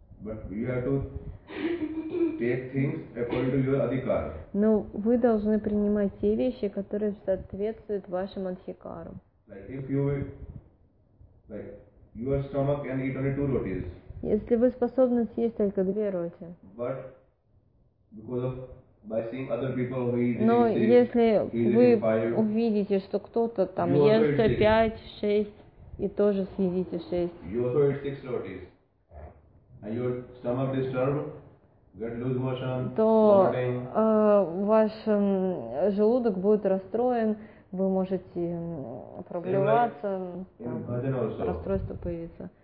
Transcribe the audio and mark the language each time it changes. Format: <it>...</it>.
<en>But you have to take things according to your adhikar.</en> <ru>Но вы должны принимать те вещи, которые соответствуют вашим адхикарам.</ru> <en>Like if you like your stomach can eat only 2 rotis.</en> <ru>Если вы способны съесть только 2 роти.</ru> <en>But because of by seeing other people who eat,</en> <ru>но если вы увидите, что кто-то там ест 5-6 и тоже съедите 6.</ru> <en>You also eat 6 rotis. And your stomach disturbed, get loose motion,</en> <ru>то ваш желудок будет расстроен, вы можете проблеваться, расстройство появится.</ru>